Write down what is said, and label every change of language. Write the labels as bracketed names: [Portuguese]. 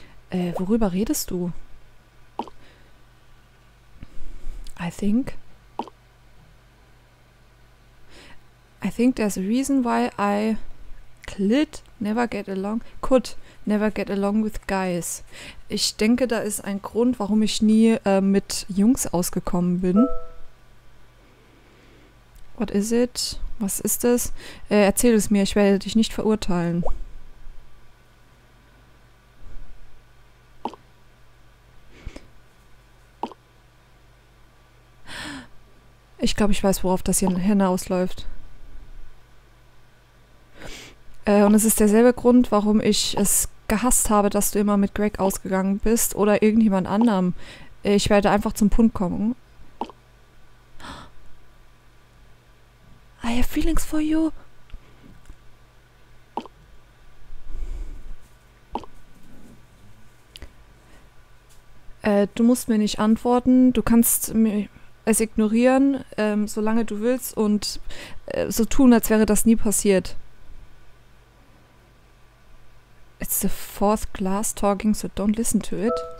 [German] Worüber redest du? [English] I think there's a reason why I could never get along with guys. [German] Ich denke, da ist ein Grund, warum ich nie mit Jungs ausgekommen bin. [English] What is it? [German] Was ist es? Erzähl es mir, ich werde dich nicht verurteilen. Ich glaube, ich weiß, worauf das hier hinausläuft. Und es ist derselbe Grund, warum ich es gehasst habe, dass du immer mit Greg ausgegangen bist oder irgendjemand anderem. Ich werde einfach zum Punkt kommen. [English] I have feelings for you. [German] Du musst mir nicht antworten. Du kannst es ignorieren, solange du willst und so tun, als wäre das nie passiert. [English] It's the fourth glass talking, so don't listen to it.